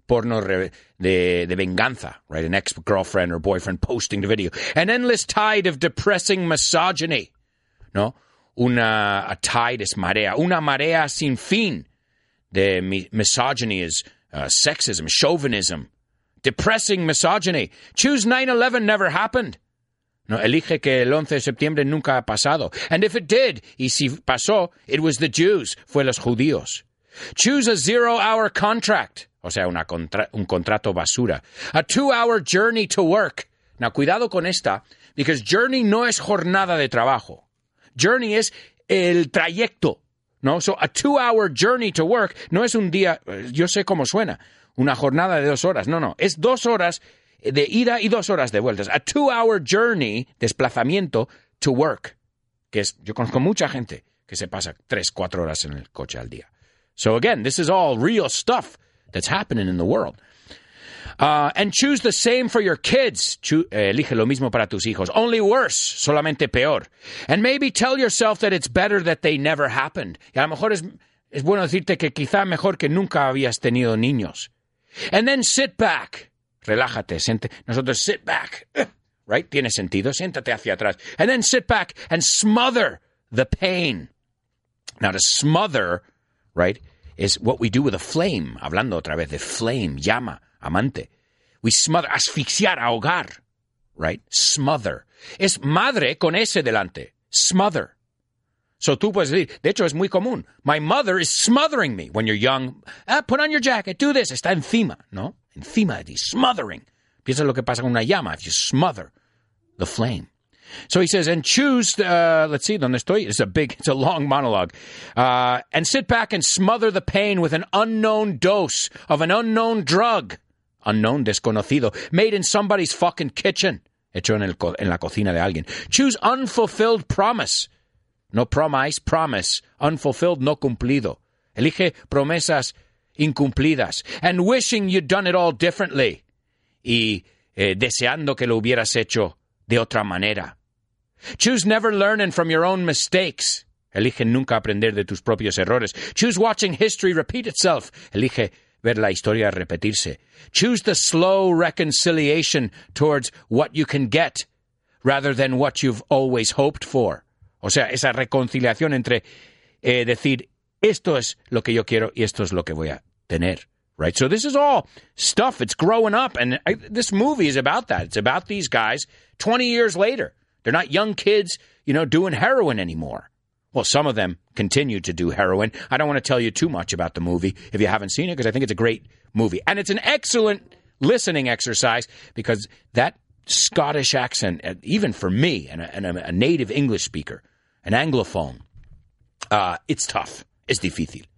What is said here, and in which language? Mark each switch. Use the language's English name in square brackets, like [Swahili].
[Spanish] Porno de venganza, [English] right? An ex-girlfriend or boyfriend posting the video. An endless tide of depressing misogyny. No? A tide is [Spanish] marea. Una marea sin fin. [English] The misogyny is sexism, chauvinism. Depressing misogyny. Choose 9/11 never happened. [Spanish] No, elige que el 11 de septiembre nunca ha pasado. [English] And if it did, [Spanish] y si pasó, [English] it was the Jews, [Spanish] fue los judíos. [English] Choose a zero-hour contract. [Spanish] O sea, un contrato basura. [English] A two-hour journey to work. [Spanish] Now, cuidado con esta, because journey no es jornada de trabajo. Journey es el trayecto. No, [English] so a two-hour journey to work [Spanish] no es un día, yo sé cómo suena, una jornada de 2 horas. No, es 2 horas de ida y 2 horas de vuelta. [English] A 2-hour journey, [Spanish] desplazamiento, [English] to work. [Spanish] Que es, yo conozco mucha gente que se pasa 3-4 horas en el coche al día. [English] So again, this is all real stuff that's happening in the world. And choose the same for your kids. [Spanish] Elige lo mismo para tus hijos. [English] Only worse, [Spanish] solamente peor. [English] And maybe tell yourself that it's better that they never happened. [Spanish] Y a lo mejor es bueno decirte que quizá mejor que nunca habías tenido niños. [English] And then sit back. [Spanish] Relájate, siente. Nosotros sit back. Right? Tiene sentido. Siéntate hacia atrás. [English] And then sit back and smother the pain. Now to smother, right, is what we do with a flame. [Spanish] Hablando otra vez de flame, llama. Amante. [English] We smother, [Spanish] asfixiar, ahogar, right? Smother. Es madre con S delante. Smother. So tú puedes decir, de hecho es muy común. [English] My mother is smothering me when you're young. Ah, put on your jacket, do this. [Spanish] Está encima, ¿no? Encima de ti, smothering. Piensa lo que pasa con una llama [English] if you smother the flame. So he says, and choose, let's see, [Spanish] ¿dónde estoy? [English] It's a long monologue. And sit back and smother the pain with an unknown dose of an unknown drug. Unknown, desconocido. Made in somebody's fucking kitchen. [Spanish] Hecho en la cocina de alguien. [English] Choose unfulfilled promise. No promise, promise. [Spanish] Unfulfilled, no cumplido. Elige promesas incumplidas. [English] And wishing you'd done it all differently. [Spanish] Y deseando que lo hubieras hecho de otra manera. [English] Choose never learning from your own mistakes. [Spanish] Elige nunca aprender de tus propios errores. [English] Choose watching history repeat itself. [Spanish] Elige ver la historia repetirse. [English] Choose the slow reconciliation towards what you can get rather than what you've always hoped for. [Spanish] O sea, esa reconciliación entre decir esto es lo que yo quiero y esto es lo que voy a tener. [English] Right? So this is all stuff. It's growing up. And this movie is about that. It's about these guys 20 years later. They're not young kids, you know, doing heroin anymore. Well, some of them continue to do heroin. I don't want to tell you too much about the movie if you haven't seen it, because I think it's a great movie. And it's an excellent listening exercise, because that Scottish accent, even for me, and a native English speaker, an Anglophone, it's tough. It's difícil.